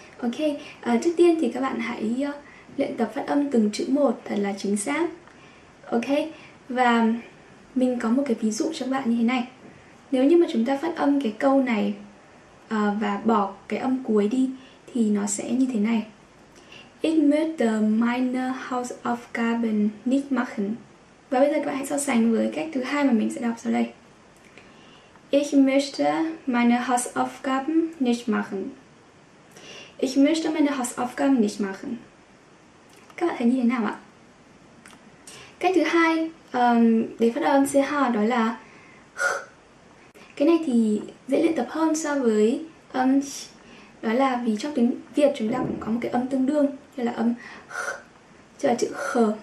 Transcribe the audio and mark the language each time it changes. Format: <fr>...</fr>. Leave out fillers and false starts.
<vi>Ok, trước tiên thì các bạn hãy luyện tập phát âm từng chữ một thật là chính xác. Ok, và mình có một cái ví dụ cho các bạn như thế này. Nếu như mà chúng ta phát âm cái câu này và bỏ cái âm cuối đi thì nó sẽ như thế này.</vi> <de>Ich möchte meine Hausaufgaben nicht machen.</de> <vi>Và bây giờ các bạn hãy so sánh với cách thứ hai mà mình sẽ đọc sau đây.</vi> <de>Ich möchte meine Hausaufgaben nicht machen. Ich möchte meine Hausaufgaben nicht machen.</de> <vi>Các bạn thấy như thế nào ạ? Cách thứ hai để phát âm CH đó là cái này thì dễ luyện tập hơn so với âm đó là vì trong tiếng Việt chúng ta cũng có một cái âm tương đương như là âm kh, tức là chữ khờ.</vi>